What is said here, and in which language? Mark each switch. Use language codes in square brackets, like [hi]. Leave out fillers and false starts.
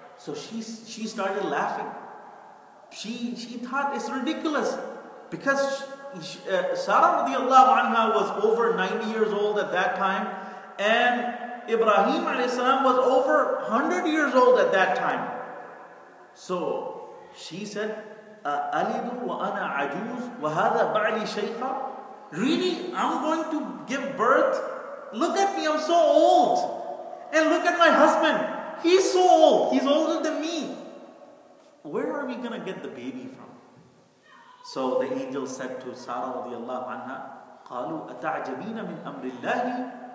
[en] So she started laughing. She thought it's ridiculous, because Sarah radiallahu anha was over 90 years old at that time, and Ibrahim alayhi salam was over 100 years old at that time. So she said, [ar] أَلِدُ وَأَنَا عَجُوزُ وَهَذَا بَعْلِ شَيْخَ. [en] Really, I'm going to give birth? Look at me, I'm so old. And look at my husband. He's so old, he's older than me. Where are we going to get the baby from? So the angel said to Sarah radiallahu anha, [ar] قَالُوا أَتَعْجَبِينَ مِنْ أَمْرِ اللَّهِ.